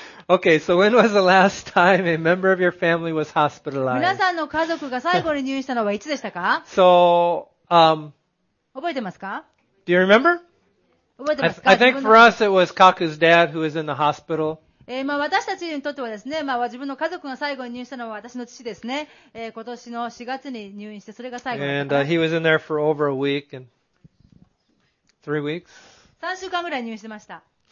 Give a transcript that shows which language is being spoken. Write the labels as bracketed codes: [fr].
[en] Okay, so when was the last time a member of your family was hospitalized? [ja] 皆さんの家族が最後に入院したのはいつでしたか？ [en] So, [ja] 覚えてますか？ [en] Do you remember? [ja] 覚えてますか？ [en] I think for us it was Kaku's dad who was in the hospital. [ja] まあ私たちにとってはですね、まあ自分の家族が最後に入院したのは私の父ですね。今年の4月に入院して、それが最後だった。 [en] And he was in there for over a week and 3 weeks. [ja] 3週間ぐらい入院してました。